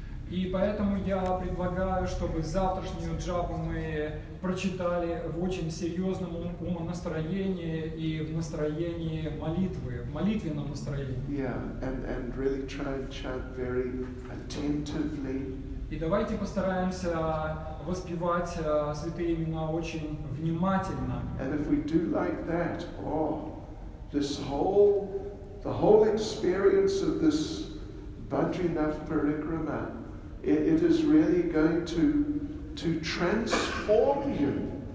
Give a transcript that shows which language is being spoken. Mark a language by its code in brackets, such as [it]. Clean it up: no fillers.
[ru] И поэтому я предлагаю, чтобы завтрашнюю джапу мы прочитали в очень серьезном умонастроении и в настроении молитвы, в молитвенном настроении. [en] Yeah, and really try and chant very attentively. [ru] И давайте постараемся воспевать святые имена очень внимательно. [en] And if we do like that, this whole experience of this Badrinath Parikrama, it is really going to transform you.